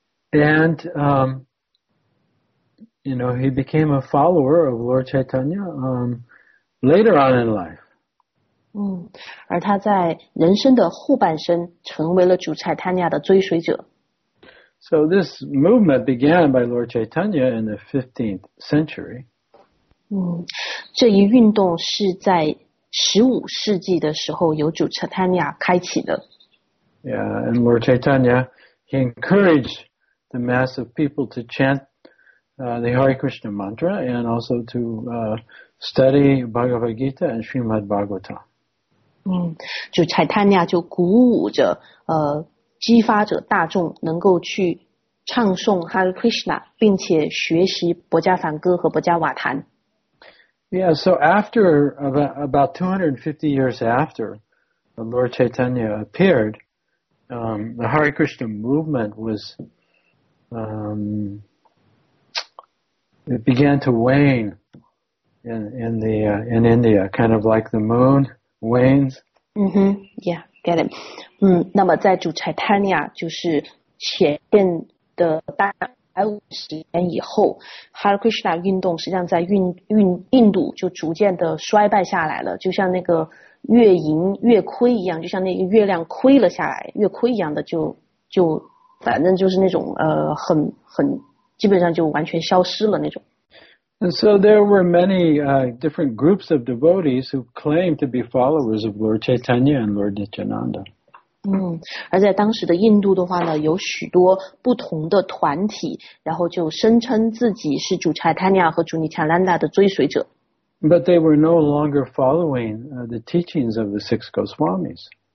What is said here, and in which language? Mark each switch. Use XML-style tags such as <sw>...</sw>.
<en>And, you know, he became a follower of Lord Chaitanya, later on in life.</en> <zh>而他在人生的后半生成为了主蔡坦尼亚的追随者。</zh> <en>So this movement began by Lord Chaitanya in the 15th century.</en> <zh>这一运动是在15世纪的时候由主蔡坦尼亚开启的。</zh> <en>Yeah, and Lord Chaitanya, he encouraged the mass of people to chant the Hare Krishna mantra and also to study Bhagavad Gita and Srimad Bhagavatam.</en> <zh>就蔡坦尼亚就鼓舞着激发着大众能够去唱诵 Hare Krishna 并且学习博迦梵歌和博迦瓦坛。</zh> <en>Yeah, so after about 250 years after the Lord Chaitanya appeared, the Hare Krishna movement was, it began to wane in India, kind of like the moon wanes. Mm-hmm, yeah. Get it.</en> <zh>那么在主蔡坦尼亚就是前面的大概50年以后 Hare Krishna 运动实际上在印度就逐渐的衰败下来了，就像那个月盈月亏一样，就像那个月亮亏了下来月亏一样的，就反正就是那种很基本上就完全消失了那种。</zh> <en>And so there were many different groups of devotees who claimed to be followers of Lord Chaitanya and Lord Nityananda.</en> <zh>而在当时的印度的话呢，有许多不同的团体，然后就声称自己是主柴坦尼亚和主尼查兰达的追随者。</zh> <en>But they were no longer following the teachings of the six Goswamis.</en>